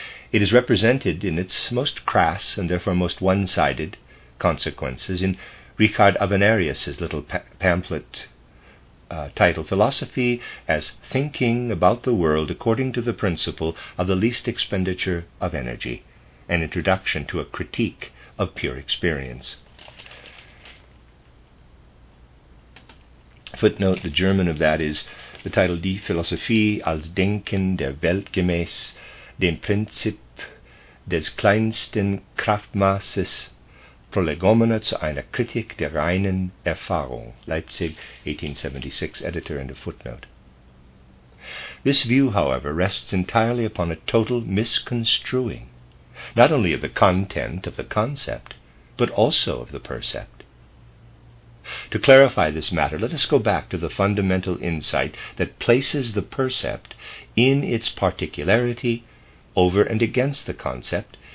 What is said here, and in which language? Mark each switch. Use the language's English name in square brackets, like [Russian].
[English] It is represented in its most crass and therefore most one-sided consequences in Richard Avenarius's little pamphlet titled Philosophy as Thinking About the World According to the Principle of the Least Expenditure of Energy, an Introduction to a Critique of Pure Experience. Footnote, the German of that is the title [German] Die Philosophie als Denken der Welt gemäß dem Prinzip des kleinsten Kraftmaßes Prolegomena zu einer Kritik der reinen Erfahrung, Leipzig, 1876, [English] editor and a footnote. This view, however, rests entirely upon a total misconstruing, not only of the content of the concept, but also of the percept. To clarify this matter, let us go back to the fundamental insight that places the percept in its particularity over and against the concept